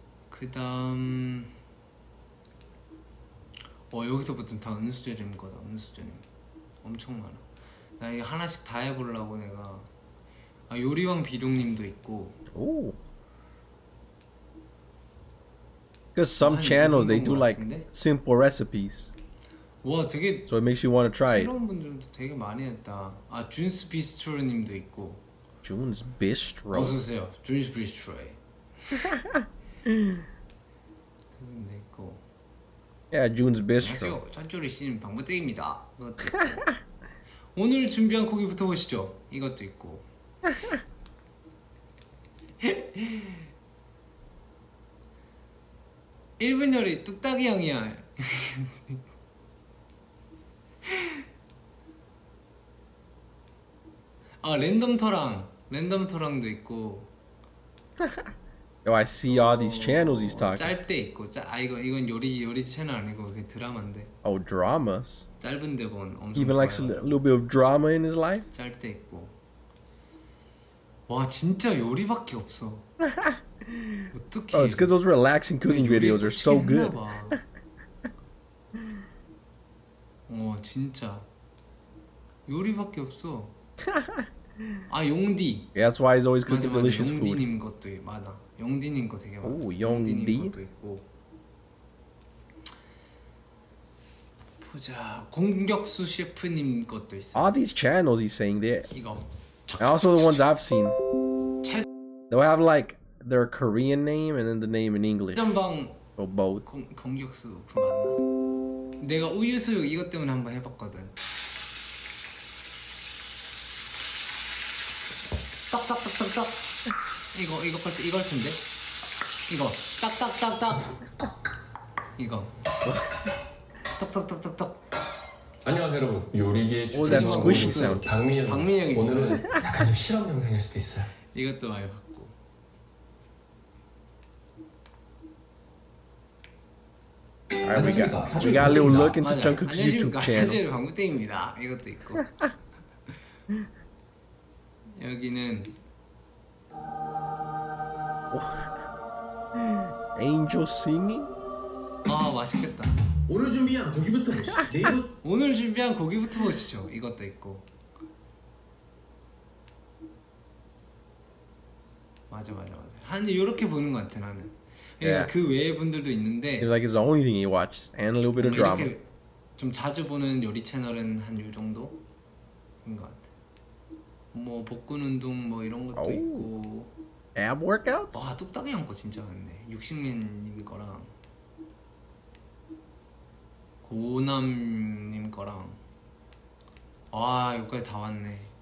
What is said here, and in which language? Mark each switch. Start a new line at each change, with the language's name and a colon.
Korean: 그다음 어 여기서부터 다 은수저님 거다. 은수저님 엄청 많아. 나 이 하나씩 다 해보려고 내가 아 요리왕 비룡님도 있고. 오.
English: Because some channels they do like simple recipes.
Korean: 와 되게
English: so it makes you want to try
Korean: 새로운 분들도 되게 많이 했다. 아 준스 비스트로님도 있고. 준스 비스트로. 어서 오세요, 준스 비스트로에. 그분도 있고.
English: Yeah, 준스 비스트로.
Korean: 안녕하세요, 자취요리신 방부땡입니다. 오늘 준비한 고기부터 보시죠. 이것도 있고. 1분 요리 뚝딱이 형이야. 아 랜덤터랑도 있고.
English: Yo, I see all these channels he's talking.
Korean: 짧대 있고. 아 이건 요리 채널 아니고 그 드라마인데.
English: Oh, dramas.
Korean: 짧은데 본 엄청 좋아요.
English: He even likes a little bit of drama in his life.
Korean: 짧대 있고. 와 진짜 요리밖에 없어. 어떻게?
English: Oh, it's because those relaxing cooking videos are so good.
Korean: 어 진짜 요리밖에 없어. 아 용디.
English: Yeah, that's why he's always cooking
Korean: 맞아,
English: delicious
Korean: 용디님
English: food.
Korean: 용디님 것도 맞아. 용디님 거 되게 많아. 오 용디. 용디님 것도 있고. 보자 공격수 셰프님 것도 있어.
English: All these channels he's saying there.
Korean: 이거.
English: And also the ones I've seen. They'll have like their Korean name and then the name in English.
Korean: 전방.
English: Or both.
Korean: 공격수 그 맞나? 내가 우유 수육 이것 때문에 한번 해봤거든. 딱딱딱딱딱. 이거 할 때 이거 할 텐데. 이거 딱딱딱딱. 이거. 딱딱딱딱딱. 안녕하세요 여러분. 요리계 주장하고 박민혁. 오늘은 약간 좀 실험 영상일 수도 있어요. 이것도 많이 봤고. 알겠습니다.
English: We got a little look into Jungkook's YouTube channel.
Korean: 안녕하십니까. 차지율 방구땡입니다. 이것도 있고. 여기는
English: Angel singing?
Korean: 아 맛있겠다. 오늘 준비한 고기부터 보시죠. 오늘 준비한 고기부터 보시죠. 이것도 있고. 맞아. 한 이렇게 보는 것 같아 나는. Yeah. 그 외의 분들도 있는데.
English: It's like it's the only thing he watches, and a little bit of drama.
Korean: 좀 자주 보는 요리 채널은 한 요 정도인 것 같아. 뭐 복근 운동 뭐 이런 것도 oh. 있고.
English: Ab workouts?
Korean: 와 뚝딱이 한 거 진짜 많네. 육식맨님 거랑 고남님 거랑 와 여기까지 다 왔네.